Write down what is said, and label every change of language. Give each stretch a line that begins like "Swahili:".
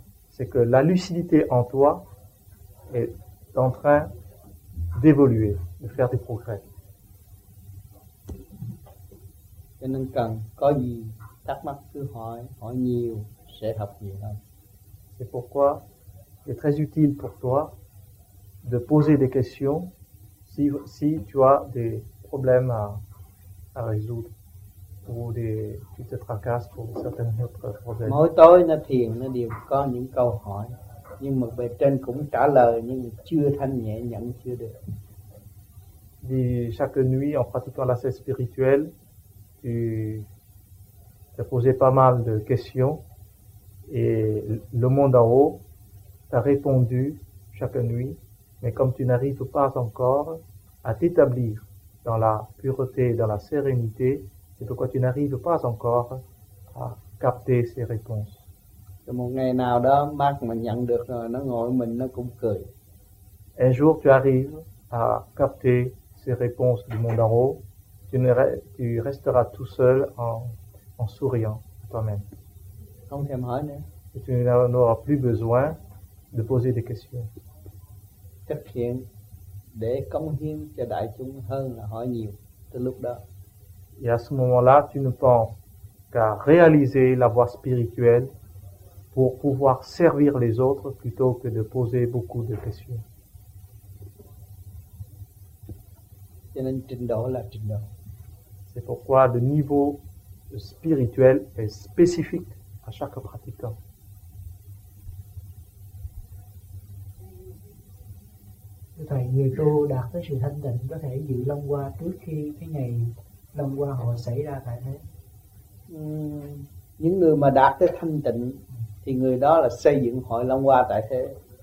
French: C'est que la lucidité en toi est en train d'évoluer, de faire des progrès.
Vietnamese: Cho nên cần có gì thắc mắc cứ hỏi, hỏi nhiều sẽ học nhiều hơn.
French: C'est pourquoi il est très utile pour toi de poser des questions si tu as des problèmes à résoudre ou tu te tracasses pour certains autres problèmes.
Vietnamese: Mỗi tối nó thiền nó đều có những câu hỏi. Nhưng mà bề trên cũng trả lời nhưng chưa thanh nhẹ nhận chưa được.
French: Thì chaque nuit en pratiquant la sèche spirituelle, tu te posais pas mal de questions et le monde en haut t'a répondu chaque nuit, mais comme tu n'arrives pas encore à t'établir dans la pureté, dans la sérénité, c'est pourquoi tu n'arrives pas encore à capter ces réponses.
Vietnamese: Một ngày nào đó Mark mà nhận được rồi nó ngồi mình nó cũng cười.
French: Un jour tu arrives à capter ces réponses du monde en haut, tu resteras tout seul en souriant à toi-même.
Vietnamese: Không thèm hỏi nữa.
French: Et tu n'auras plus besoin de poser des questions.
Vietnamese: Thực hiện để cống hiến cho đại chúng hơn là hỏi nhiều. Từ lúc đó.
French: Et à ce moment-là, tu ne penses qu'à réaliser la voie spirituelle pour pouvoir servir les autres plutôt que de poser beaucoup de questions. C'est pourquoi le niveau spirituel est spécifique à chaque pratiquant.
Vietnamese: Thầy, người tu đạt tới sự thanh tịnh có thể dự long qua trước khi cái ngày long qua họ xảy ra tại thế. Những người mà đạt tới thanh tịnh thì người đó là xây dựng hội long qua tại thế.